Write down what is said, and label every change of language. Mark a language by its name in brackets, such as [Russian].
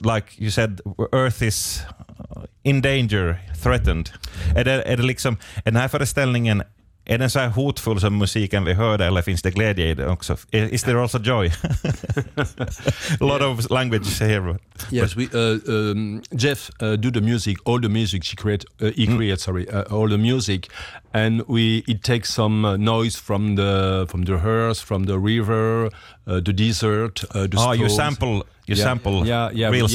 [English] Like you said, Earth is in danger, threatened. [Swedish] Är det liksom, är den här föreställningen, är den så här hotfull som musiken vi hörde, eller finns det glädje i det också? [English] Is there also joy? A lot of language here. Yes, we, Jeff do the music, all the music she create, all the music, and we, it takes some noise from the earth, from the river, the desert, the storms. You sample real sounds.